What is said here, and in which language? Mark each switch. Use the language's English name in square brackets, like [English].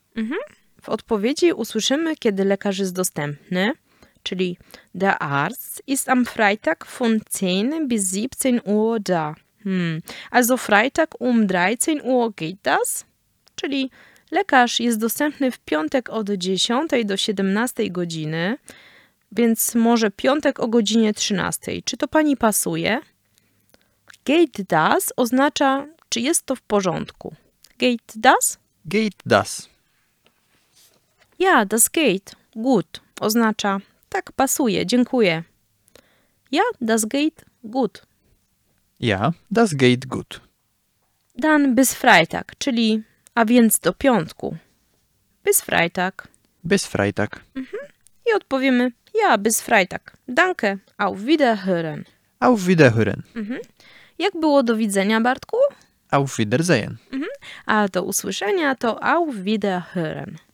[Polish] Mhm. W odpowiedzi usłyszymy, kiedy lekarz jest dostępny. Czyli [German] der Arzt ist am Freitag von 10 bis 17 Uhr da. Hm. Also Freitag um 13 Uhr geht das? [Polish] Czyli lekarz jest dostępny w piątek od 10 do 17 godziny, więc może piątek o godzinie 13. Czy to pani pasuje? [German] Geht das [Polish] oznacza, czy jest to w porządku. [German] Geht das? Geht das. Ja, das geht. Gut. [Polish] Oznacza, tak, pasuje, dziękuję. [German] Ja, das geht. Gut. Ja, das geht. Gut. Dann bis Freitag, [Polish] czyli... A więc do piątku. [German] Bis Freitag. Bis Freitag. Mhm. [Polish] I odpowiemy, [German] ja, bis Freitag. Danke, auf Wiederhören. Auf Wiederhören. Mhm. [Polish] Jak było do widzenia, Bartku? [German] Auf Wiedersehen. [Polish] Mhm. A do usłyszenia to [German] auf Wiederhören.